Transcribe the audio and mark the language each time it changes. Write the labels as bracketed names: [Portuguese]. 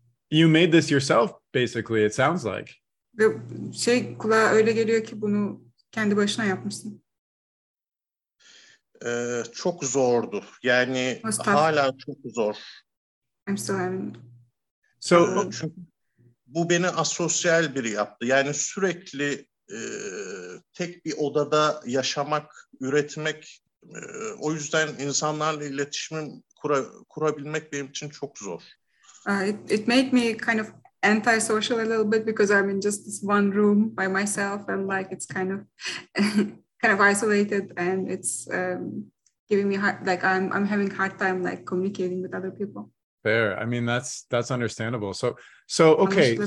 [English] You made this yourself, basically, it sounds like. [Turkish] Kulağa öyle geliyor ki bunu kendi başına yapmışsın. Çok zordu. Yani hala çok zor. [English] I'm still having. So [Turkish] bu beni asosyal biri yaptı. Yani sürekli tek bir odada yaşamak, üretmek. O yüzden insanlarla iletişimim kurabilmek benim için çok zor. [English] It made me kind of antisocial a little bit because I'm in just this one room by myself and like it's kind of isolated and it's giving me hard, like I'm having a hard time like communicating with other people. Fair. I mean that's understandable. So okay.